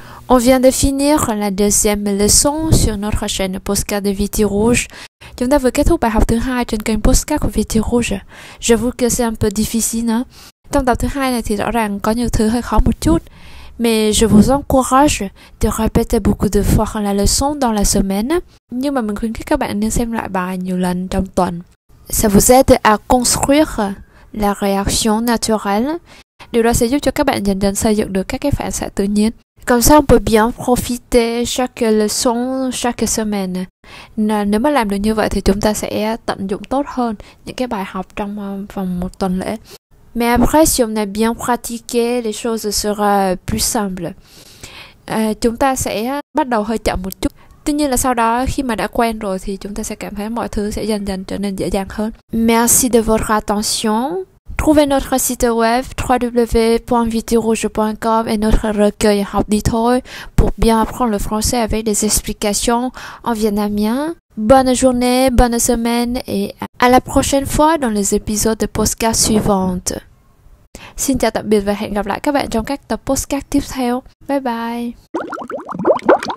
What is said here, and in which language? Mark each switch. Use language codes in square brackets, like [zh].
[fr] On vient de finir la deuxième leçon sur notre chaîne Posca de Viti Rouge. [vi] Chúng ta vừa kết thúc bài học thứ hai trên kênh Posca của Viti Rouge. [fr] Je vous que c'est un peu difficile, hein? [vi] Trong tập thứ hai này thì rõ ràng có nhiều thứ hơi khó một chút. [fr] Mais je vous encourage de répéter beaucoup de fois la leçon dans la semaine. [vi] Nhưng mà mình khuyến khích các bạn nên xem lại bài nhiều lần trong tuần. [fr] Ça vous aide à construire la réaction naturelle. [vi] Điều đó sẽ giúp cho các bạn dần dần xây dựng được các cái phản xạ tự nhiên. [fr] Comme ça, on peut bien profiter chaque leçon, chaque semaine. [vi] Nếu mà làm được như vậy thì chúng ta sẽ tận dụng tốt hơn những cái bài học trong vòng một tuần lễ. [fr] Mais après, si on a bien pratiqué, les choses seront plus simples. [vi] Chúng ta sẽ bắt đầu hơi chậm một chút. Tuy nhiên là sau đó, khi mà đã quen rồi, thì chúng ta sẽ cảm thấy mọi thứ sẽ dần dần trở nên dễ dàng hơn. [fr] Merci de votre attention. Trouvez notre site web www.vitirouge.com et notre recueil Học Đi Thôi pour bien apprendre le français avec des explications en vietnamien. Bonne journée, bonne semaine et à la prochaine fois dans les épisodes de Posca suivantes. [vi] Xin chào tạm biệt và hẹn gặp lại các bạn trong các tập podcast tiếp theo. [en] Bye bye.